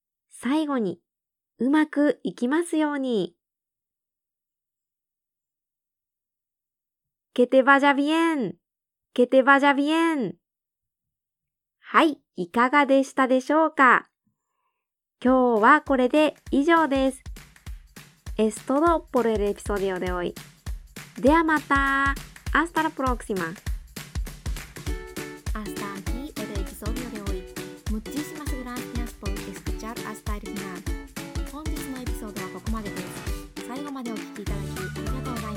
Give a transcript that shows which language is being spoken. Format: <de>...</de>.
<ja>最後に、うまくいきますように。</ja> <es>Que te vaya bien. Que te vaya bien.</es> <ja>はい、いかがでしたでしょうか。今日はこれで以上です。</ja> <es>Es todo por el episodio de hoy.</es> <ja>¡Dea mata!</ja> <es>¡Hasta la próxima! Hasta aquí el episodio de hoy. Muchísimas gracias por escuchar hasta el final.</es> <ja>本日のエピソードはここまでです。最後までお聞きいただきありがとうございました。</ja>